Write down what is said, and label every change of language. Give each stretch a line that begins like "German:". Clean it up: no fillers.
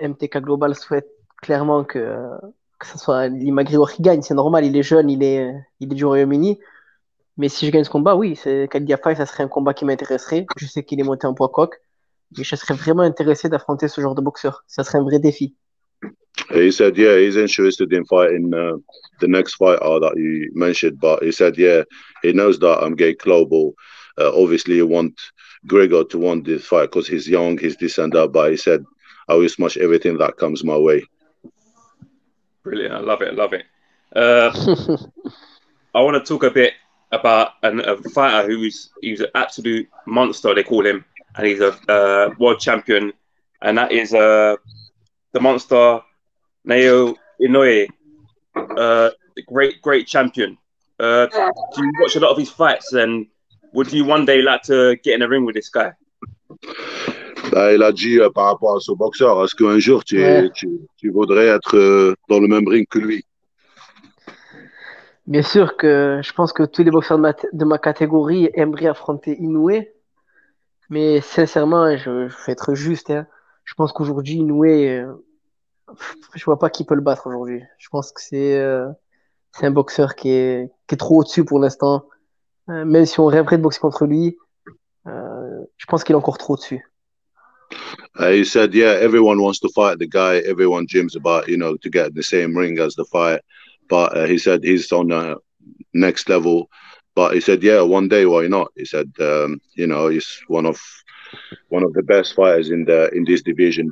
French: MTK Global souhaite clairement que ce soit Lee McGregor qui gagne. C'est normal, il est jeune, il est du Royaume-Uni. Mais si je gagne ce combat, oui, c'est Khalid Gafai, ça serait un combat qui m'intéresserait. Je sais qu'il est monté en poids coq, mais je serais vraiment intéressé d'affronter ce genre de boxeur. Ça serait un vrai défi.
English: He said, yeah, he's interested in fighting the next fighter that you mentioned. But he said, yeah, he knows that I'm getting global. Obviously, you want Gregor to want this fight because he's young, he's this and that. But he said, I will smash everything that comes my way. Brilliant. I love it. I love it. I want to talk a bit about a fighter he's an absolute monster, they call him, and he's a world champion, and that is the monster Naoya Inoue, the great champion. Do you watch a lot of his fights, and would you one day like to get in a ring with this guy?
French: Ben, il a dit par rapport à ce boxeur, est-ce qu'un jour Ouais. tu voudrais être dans le même ring que lui? Bien sûr que je pense que tous les boxeurs de ma catégorie aimeraient affronter Inoue, mais sincèrement, je vais être juste, hein. Je pense qu'aujourd'hui, Inoue, je vois pas qui peut le battre aujourd'hui. Je pense que c'est un boxeur qui est trop au-dessus pour l'instant. Même si on rêverait de boxer contre lui, je pense qu'il est encore trop au-dessus.
English: He said, yeah, everyone wants to fight the guy. Everyone dreams about, to get the same ring as the fight. But he said he's on a next level. But he said, yeah, one day, why not? He said, he's one of the best fighters in in this division.